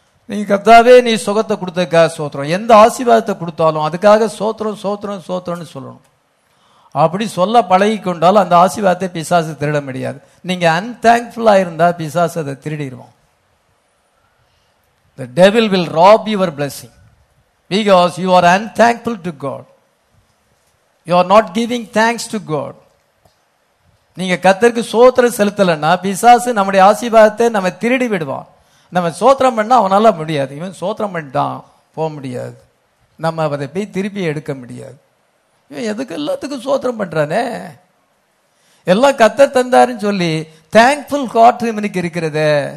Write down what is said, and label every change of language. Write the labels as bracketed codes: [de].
[ta] நீங்க கர்த்தாவே நீ சுகத்தை கொடுத்ததுக்காக சோத்திரம், எந்த ஆசீர்வாதத்தை கொடுத்தாலும் அதுக்காக சோத்திரம் சோத்திரம் சோத்திரம்னு சொல்லணும். அப்படி சொல்ல பழகி கொண்டாலும் அந்த ஆசீர்வாதத்தை பிசாசு திருட முடியாது. நீங்க அன்தேங்க்ஃபுல்லா இருந்தா பிசாசு அதை திருடிடுவான். [en] The devil will rob your blessing because you are unthankful to God. You are not giving thanks to God. [ta] நீங்க கர்த்தருக்கு சோத்திரம் செலுத்தலன்னா பிசாசு நம்முடைய ஆசீர்வாதத்தை நம்ம திருடி விடுவான். நம்ம சோத்திரம் பண்ணா அவனால முடியாது, இவன் சோத்திரம் பண்ணிட்டான் போக முடியாது, நம்ம அதை போய் திருப்பி எடுக்க முடியாது. இவன் எதுக்கு எல்லாத்துக்கும் சோத்திரம் பண்றானே, எல்லாம் கத்த தந்தாருன்னு சொல்லி தேங்க்ஃபுல் ஹார்ட் இவனுக்கு இருக்கிறதே.